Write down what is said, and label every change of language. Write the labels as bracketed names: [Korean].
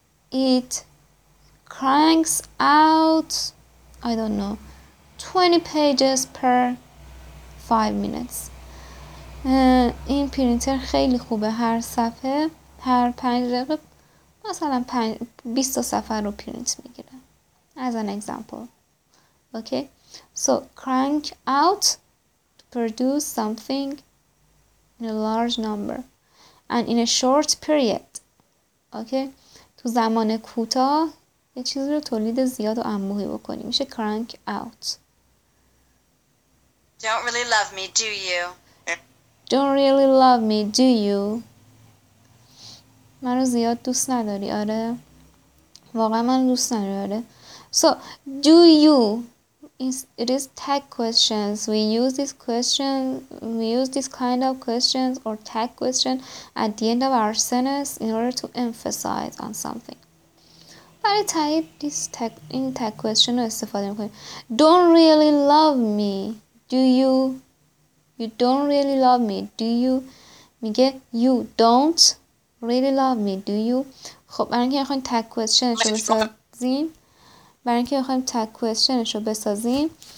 [English] It cranks out, I don't know, 20 pages per 5 minutes. [Persian] این پرینتر خیلی خوبه. هر صفحه هر 5 دقیقه مثلا 20 صفحه رو پرینت میگیره. [English] As an example. Okay? So, crank out to produce something in a large number and in a short period. Okay? [Persian] تو زمان کوتاه یه چیز رو تولید زیاد و انبوهی بکنی. میشه crank out. [English] Don't really love me, do you? Don't really love me, do you? [Persian] من رو زیاد دوست نداری، آره؟ واقعا من رو دوست نداری، آره؟ [English] So, do you? It is tag questions. We use this kind of questions or tag questions at the end of our sentence in order to emphasize on something. [Persian] برای تایید این tag question رو استفاده میکنیم. [English] Don't really love me. Do you? You don't really love me. Do you? میگه you don't really love me. Do you? [Persian] خب برای اینکه میخواییم tag question رو بسازیم. برای اینکه میخواییم tag question رو بسازیم.